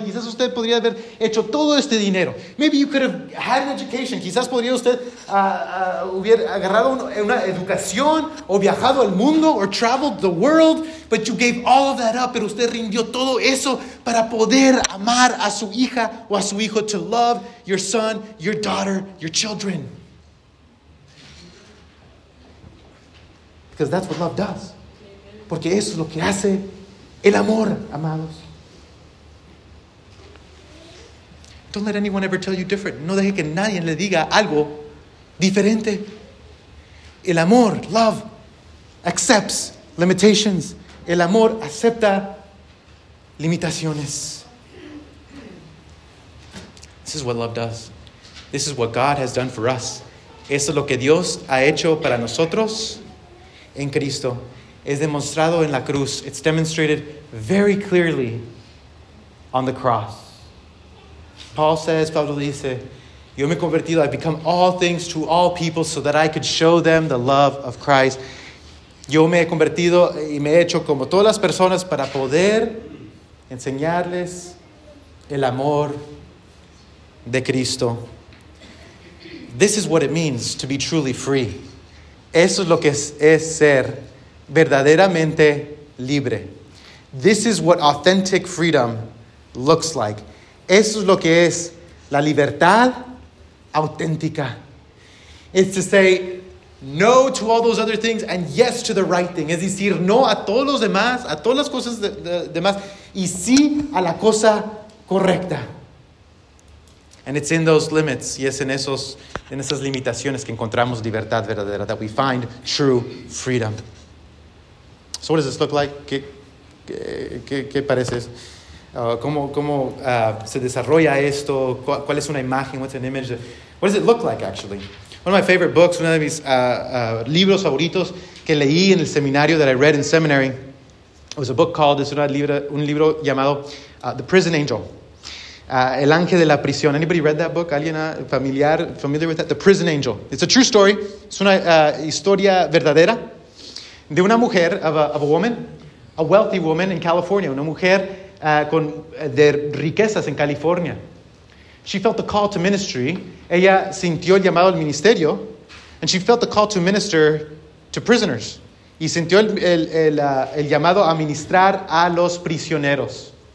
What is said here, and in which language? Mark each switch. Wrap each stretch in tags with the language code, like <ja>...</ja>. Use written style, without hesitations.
<es>Quizás usted podría haber hecho todo este dinero.</es> <en>Maybe you could have had an education.</en> <es>Quizás podría usted hubiera agarrado una educación o viajado al mundo</es> <en>or traveled the world. But you gave all of that up.</en> <es>Pero usted rindió todo eso para poder amar a su hija o a su hijo.</es> <en>To love your son, your daughter, your children. Because that's what love does.</en> <es>Porque eso es lo que hace el amor, amados.</es> <en>Don't let anyone ever tell you different.</en> <es>No deje que nadie le diga algo diferente. El amor,</es> <en>love, accepts limitations.</en> <es>El amor acepta limitaciones.</es> <en>This is what love does. This is what God has done for us.</en> <es>Eso es lo que Dios ha hecho para nosotros. En Cristo, es demostrado en la cruz.</es> <en>It's demonstrated very clearly on the cross. Paul says,</en> <es>Pablo dice, yo me he convertido,</es> <en>I've become all things to all people so that I could show them the love of Christ.</en> <es>Yo me he convertido y me he hecho como todas las personas para poder enseñarles el amor de Cristo.</es> <en>This is what it means to be truly free.</en> <es>Eso es lo que es ser verdaderamente libre.</es> <en>This is what authentic freedom looks like.</en> <es>Eso es lo que es la libertad auténtica.</es> <en>It's to say no to all those other things and yes to the right thing.</en> <es>Es decir, no a todos los demás, a todas las cosas demás, y sí a la cosa correcta.</es> <en>And it's in those limits, yes,</en> <es>en esas limitaciones que encontramos libertad verdadera,</es> <en>that we find true freedom. So what does this look like?</en> <es>¿Qué parece eso? ¿Cómo se desarrolla esto? ¿Cuál es una imagen?</es> <en>What's an image? What does it look like, actually? One of my favorite books,</en> <es>uno de mis libros favoritos que leí en el seminario,</es> <en>that I read in seminary, was a book called,</en> <es>es un libro llamado</es> <en>The Prison Angel.</en> <es>El ángel de la prisión.</es> <en>Anybody read that book?</en> <es>¿Alguien</es> <en>familiar with that? The Prison Angel. It's a true story.</en> <es>Es una historia verdadera de una mujer,</es> <en>of a woman, a wealthy woman in California.</en> <es>Una mujer de riquezas en California.</es> <en>She felt the call to ministry.</en> <es>Ella sintió el llamado al ministerio.</es> <en>And she felt the call to minister to prisoners.</en> <es>Y sintió el llamado a ministrar a los prisioneros.</es>